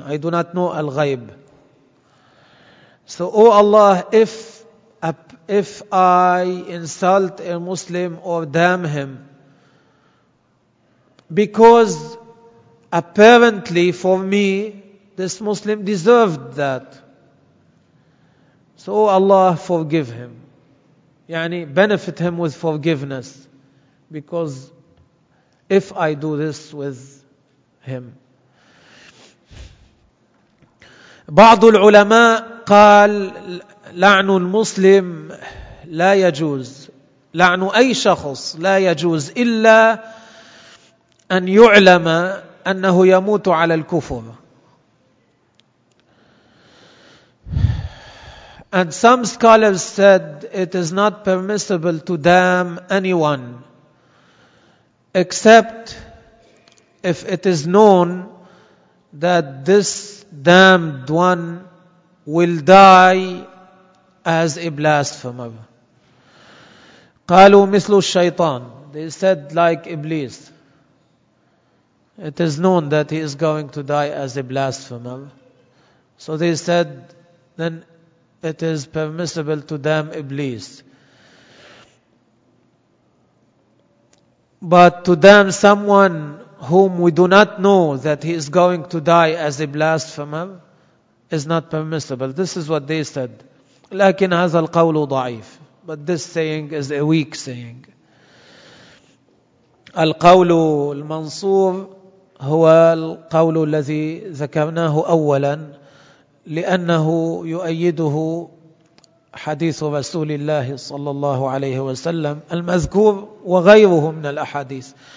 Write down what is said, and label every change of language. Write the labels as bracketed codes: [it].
[en] I do not know al-ghayb. So, O Allah, if I insult a Muslim or damn him, because apparently for me, this Muslim deserved that. So, O Allah, forgive him. Yani, benefit him with forgiveness. Because if I do this with him. [ar] بعض العلماء قال لعن المسلم لا يجوز لعن أي شخص لا يجوز إلا أن يعلم أنه يموت على الكفر. [en] And some scholars said it is not permissible to damn anyone except if it is known that this damned one will die as a blasphemer. [ar] قالوا مثل الشيطان. [en] They said like Iblis. It is known that he is going to die as a blasphemer. So they said, then it is permissible to damn Iblis. But to damn someone whom we do not know that he is going to die as a blasphemer is not permissible. This is what they said. [ar] لكن هذا القول ضعيف. [en] But this saying is a weak saying. [ar] القول المنصور هو القول الذي ذكرناه أولا لأنه يؤيده حديث رسول الله صلى الله عليه وسلم المذكور وغيره من الأحاديث.